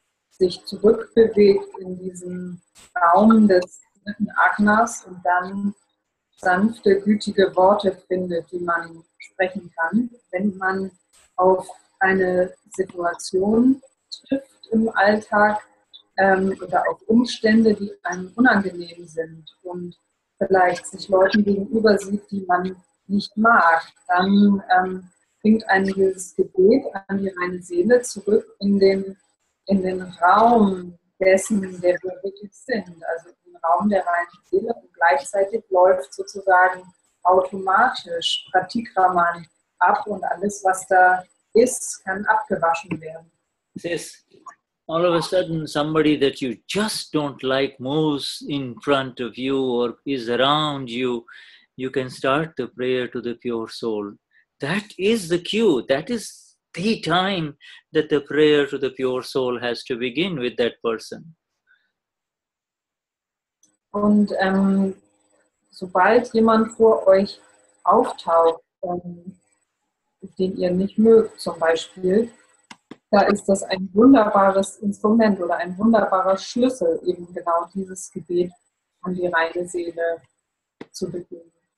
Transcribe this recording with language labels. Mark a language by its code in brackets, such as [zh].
[de] sich zurückbewegt in diesen Raum des dritten Agnas und dann sanfte, gütige Worte findet, die man sprechen kann, wenn man auf eine Situation trifft im Alltag oder auf Umstände, die einem unangenehm sind und vielleicht sich Leuten gegenüber sieht, die man nicht mag, dann bringt einen dieses Gebet an die reine Seele zurück in den Raum dessen, der wir wirklich sind, also in den Raum der reinen Seele, und gleichzeitig läuft sozusagen automatisch Pratikraman ab und alles, was da ist, kann abgewaschen werden. [en] Yes. All of a sudden, somebody that you just don't like moves in front of you or is around you, you can start the prayer to the pure soul. That is the cue. That is the time that the prayer to the pure soul has to begin with that person. [de] Und sobald jemand vor euch auftaucht, den ihr nicht mögt, zum Beispiel, da ist das ein wunderbares Instrument oder ein wunderbarer Schlüssel, eben genau dieses Gebet an die reine Seele zu beginnen.